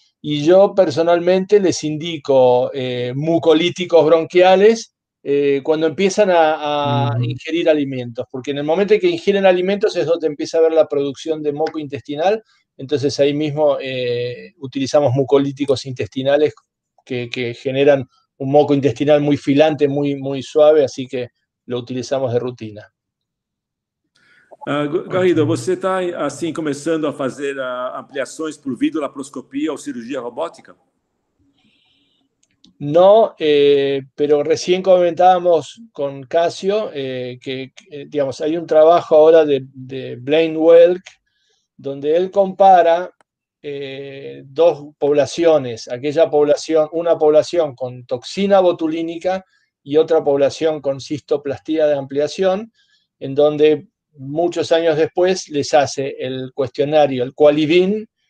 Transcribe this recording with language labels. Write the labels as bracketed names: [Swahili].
[Spanish] Y yo personalmente les indico mucolíticos bronquiales cuando empiezan a ingerir alimentos, porque en el momento en que ingieren alimentos es donde empieza a haber la producción de moco intestinal, entonces ahí mismo utilizamos mucolíticos intestinales que generan un moco intestinal muy filante, muy, muy suave, así que lo utilizamos de rutina. [Portuguese] Garrido, você está assim começando a fazer ampliações por vidro, laparoscopia ou cirurgia robótica? Não, [Spanish] pero recién comentábamos con Casio que digamos, hay un trabajo ahora de Blaine Welk, donde él compara dos poblaciones, una población con toxina botulínica y otra población con cistoplastia de ampliación, en donde muchos años después les hace el cuestionario, el Qualibin.